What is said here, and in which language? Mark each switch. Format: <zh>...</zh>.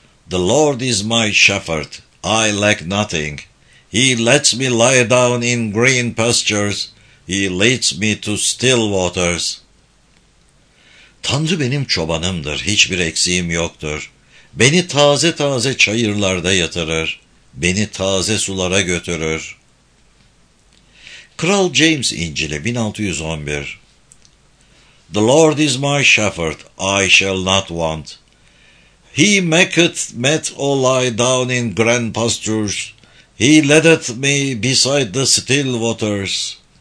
<en>The Lord is my shepherd, I lack nothing. He lets me lie down in green pastures. He leads me to still waters.</en> <tr>Tanrı benim çobanımdır, hiçbir eksiğim yoktur. Beni taze taze çayırlarda yatırır. Beni taze sulara götürür. Kral James İncil'i 1611.</tr> <en>The Lord is my shepherd, I shall not want. He maketh me to lie down in green pastures. He leadeth me beside the still waters.</en>